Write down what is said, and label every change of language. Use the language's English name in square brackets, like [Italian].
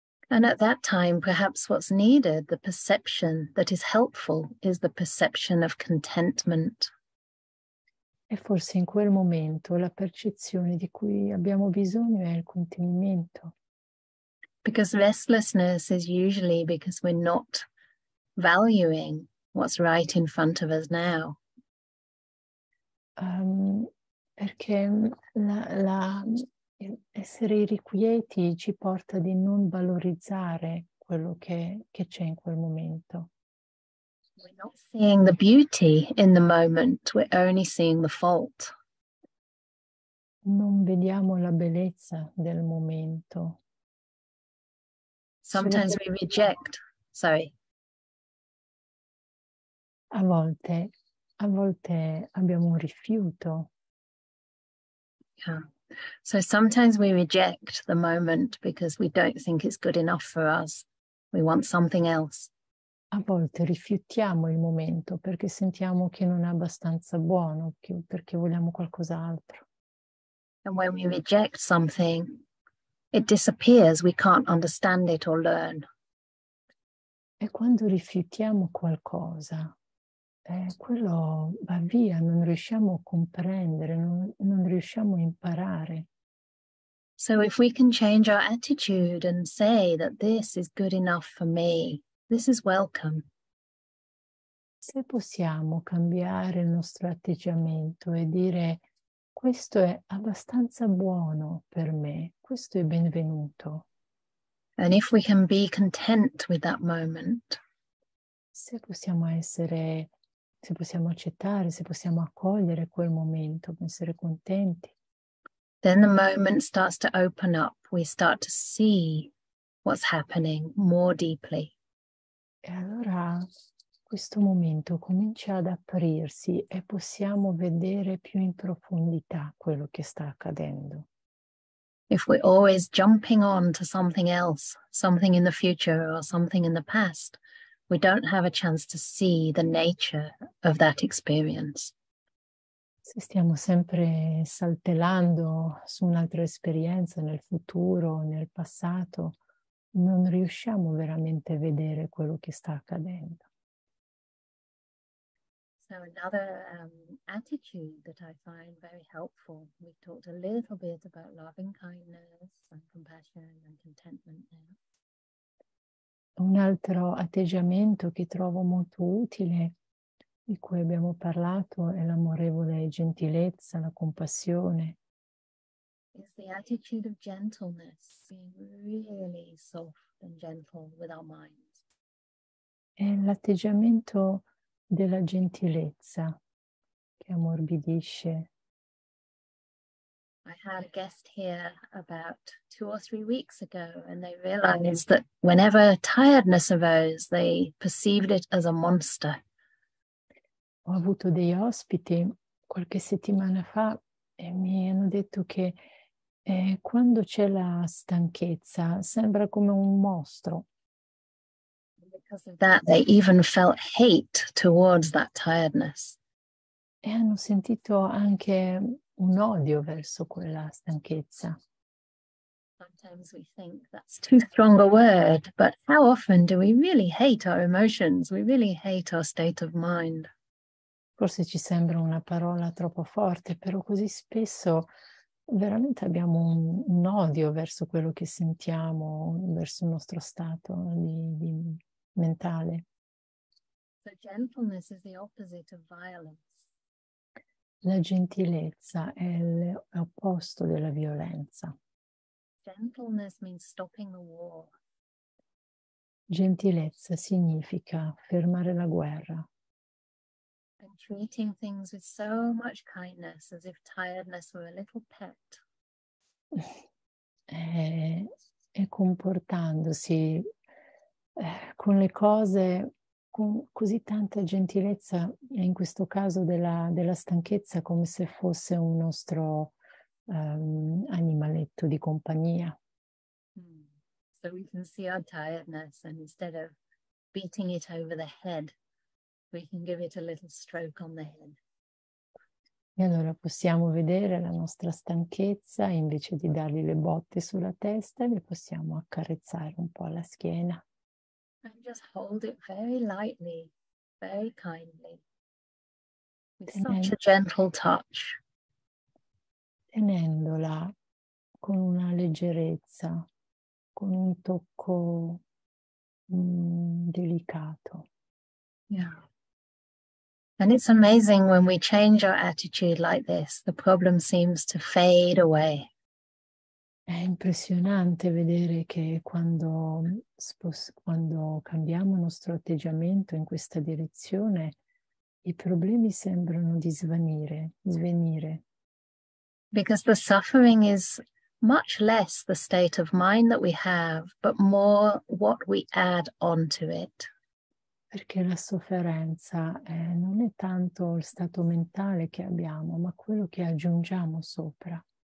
[English] And at that time, perhaps what's needed, the perception that is helpful, is the perception of contentment. [Italian] E forse in quel momento la percezione di cui abbiamo bisogno è il contentamento. [English] Because restlessness is usually because we're not valuing what's right in front of us now. [Italian] Perché la essere irrequieti ci porta di non valorizzare quello che c'è in quel momento. [English] We're not seeing the beauty in the moment, we're only seeing the fault. [Italian] Non vediamo la bellezza del momento. [English] Sometimes we reject, sorry. [Italian] A volte abbiamo un rifiuto. Yeah. [English] So sometimes we reject the moment because we don't think it's good enough for us. We want something else. [Italian] A volte rifiutiamo il momento perché sentiamo che non è abbastanza buono, perché vogliamo qualcos'altro. [English] And when we reject something, it disappears. We can't understand it or learn. [Italian] E quando rifiutiamo qualcosa, quello va via, non riusciamo a comprendere, non riusciamo a imparare. [English] So if we can change our attitude and say that this is good enough for me, this is welcome. [Italian] Se possiamo cambiare il nostro atteggiamento e dire questo è abbastanza buono per me, questo è benvenuto. [English] And if we can be content with that moment. [Italian] Se possiamo essere, se possiamo accettare, se possiamo accogliere quel momento, essere contenti. [English] Then the moment starts to open up. We start to see what's happening more deeply. [Italian] E allora questo momento comincia ad aprirsi e possiamo vedere più in profondità quello che sta accadendo. [English] If we're always jumping on to something else, something in the future or something in the past, we don't have a chance to see the nature of that experience. [Italian] Se stiamo sempre saltellando su un'altra esperienza nel futuro, nel passato, non riusciamo veramente a vedere quello che sta accadendo. [English] So another attitude that I find very helpful, we talked a little bit about loving kindness and compassion and contentment there. [Italian] Un altro atteggiamento che trovo molto utile, di cui abbiamo parlato, è l'amorevole gentilezza, la compassione. [English] It's the attitude of gentleness, being really soft and gentle with our minds. [Italian] È l'atteggiamento della gentilezza che ammorbidisce. [English] I had a guest here about 2 or 3 weeks ago, and they realized that whenever tiredness arose, they perceived it as a monster. [Italian] Ho avuto degli ospiti qualche settimana fa e mi hanno detto che quando c'è la stanchezza sembra come un mostro. [English] And because of that, they even felt hate towards that tiredness. [Italian] E hanno sentito anche un odio verso quella stanchezza. [English] Sometimes we think that's too strong a word, but how often do we really hate our emotions? We really hate our state of mind. [Italian] Forse ci sembra una parola troppo forte, però così spesso veramente abbiamo un odio verso quello che sentiamo, verso il nostro stato di mentale. [English] The gentleness is the opposite of violence. [Italian] La gentilezza è l'opposto della violenza. [English] Gentleness means stopping the war. [Italian] Gentilezza significa fermare la guerra. [English] And treating things with so much kindness as if tiredness were a little pet. [Italian] E comportandosi con le cose con così tanta gentilezza, e in questo caso della stanchezza, come se fosse un nostro animaletto di compagnia. [English] So we can see our tiredness, and instead of beating it over the head, we can give it a little stroke on the head. [Italian] E allora possiamo vedere la nostra stanchezza, invece di dargli le botte sulla testa, le possiamo accarezzare un po' la schiena. [English] And just hold it very lightly, very kindly, with such a gentle touch. [Italian] Tenendola con una leggerezza, con un tocco delicato. Yeah. [English] And it's amazing when we change our attitude like this, the problem seems to fade away. [Italian] È impressionante vedere che quando cambiamo il nostro atteggiamento in questa direzione, i problemi sembrano di svenire. [English] Because the suffering is much less the state of mind that we have, but more what we add onto it. [Italian] Perché la sofferenza non è tanto il stato mentale che abbiamo, ma quello che aggiungiamo sopra.